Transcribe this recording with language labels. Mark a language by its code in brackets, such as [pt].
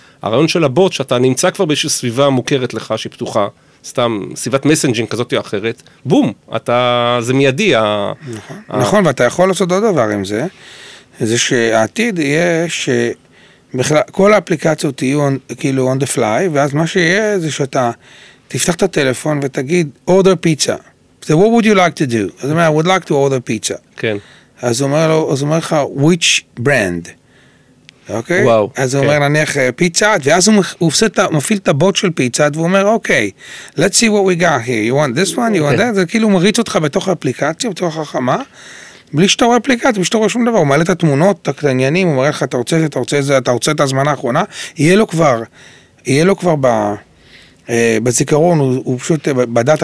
[he] הרעיון של הבוט, שאתה נמצא כבר באיזושהי סביבה מוכרת לך, שהיא פתוחה, סתם סביבת מסנג'ינג כזאת או אחרת, בום, זה מיידי. נכון, ואתה יכול לעשות עוד דבר עם זה, זה שהעתיד יהיה ש... בכלל, כל האפליקציות יהיו כאילו [en] on the fly, [he] ואז מה שיהיה זה שאתה תפתח את הטלפון ותגיד, [en] order pizza. So what would you like to do? [he] אז אומר, [en] I would like to order pizza. [he] כן. אז אומר לו, אז אומר לך, [en] which brand? [he] אוקיי? [en] Okay? [he] וואו. אז אומר, כן. נניח, פיצה, ואז הוא עושה את, מפעיל את הבוט של פיצה, והוא אומר, אוקיי, [en] okay, let's see what we got here. You want this one? You want that? [he] זה כאילו מריץ אותך בתוך האפליקציה, בתוך החכמה. בלי שאתה רואה אפליקציה, בלי שאתה רואה שום דבר, הוא מעלה את התמונות, את העניינים, הוא מראה לך, אתה רוצה את זה, אתה רוצה את זה, אתה רוצה את הזמנה האחרונה, יהיה לו כבר בזיכרון, הוא פשוט בדעת...